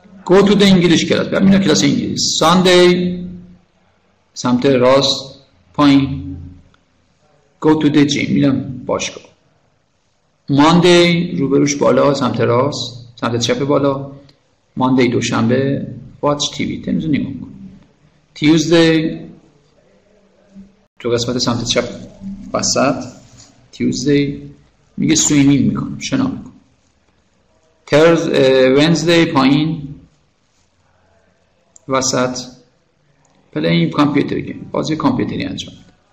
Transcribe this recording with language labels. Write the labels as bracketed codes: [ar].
[en] Go to the English class. [fa] برم اینو کلاس انگلیس. Sunday سمت راست پایین. [en] Go to the gym. [fa] میرم باشگاه. Monday روبروش بالا سمت راست، سمت چپ بالا. [en] Monday دوشنبه watch TV. [fa] تلویزیون نگاه کن. Tuesday تو قسمت سمت چپ وسط. Tuesday میگه swimming میکنم، شنا میکنم. Wednesday پایین وسط [en] playing computer game, [fa] بازی کامپیوتری انجام میده.